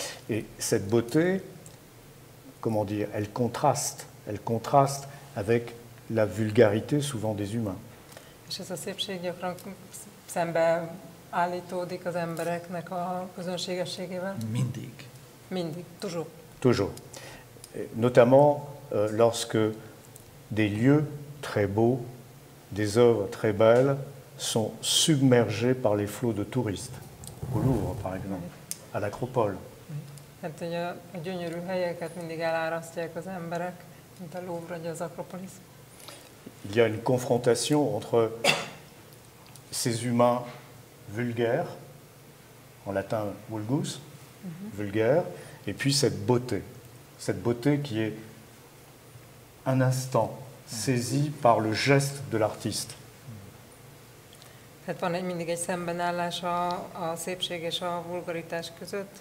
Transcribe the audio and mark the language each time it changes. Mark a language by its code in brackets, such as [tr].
[fr] Et cette beauté, comment dire, elle contraste avec la vulgarité souvent des humains. [hu] És ez a szépség gyakran szembe állítódik az embereknek a közönségességével. Mindig, [fr] toujours. Notamment lorsque des lieux très beaux, des œuvres très belles sont submergés par les flots de touristes. Au Louvre, par exemple, à l'Acropole. [hu] Hát, hogy a gyönyörű helyeket mindig elárasztják az emberek, mint a Louvre, vagy az Akropolis. [fr] Il y a une confrontation entre ces humains vulgaires, en latin vulgus, vulgaires, et puis cette beauté qui est un instant saisie par le geste de l'artiste. [hu] Hát van egy mindig egy szembenállás a szépség és a vulgaritás között.